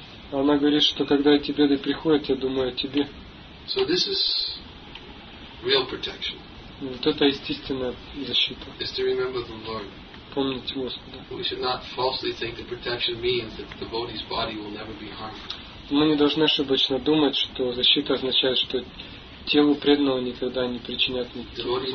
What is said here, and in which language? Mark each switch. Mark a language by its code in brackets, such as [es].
[ru] Она говорит, что когда эти беды приходят, я думаю о тебе. [en] So this is real protection. [ru] Вот это естественная защита. [en] Is to remember the Lord. [ru] Помнить Господа. [en] We should not falsely think that protection means that the devotee's body will never be harmed. [ru] Мы не должны ошибочно думать, что защита означает, что телу преданного никогда не причинят никаких